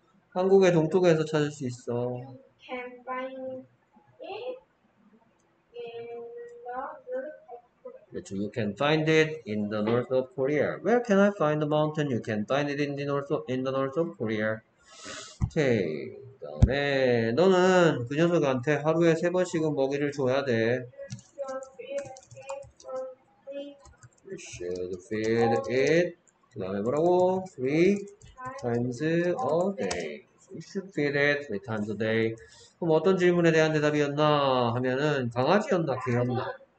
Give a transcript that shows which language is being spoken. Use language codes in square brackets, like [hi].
[ko] 한국의 동쪽에서 찾을 수 있어. [en] Can find it in the north of Korea. You can find it in the north of Korea. Where can I find the mountain? You can find it in the north of Korea. Okay. [ko] 다음에 너는 그 녀석한테 하루에 세 번씩은 먹이를 줘야 돼. [en] You should feed it. [ko] 그 다음에 뭐라고? [en] Three times a day. You should feed it three times a day. [ko] 그럼 어떤 질문에 대한 대답이었나 하면은 강아지였나 개였나?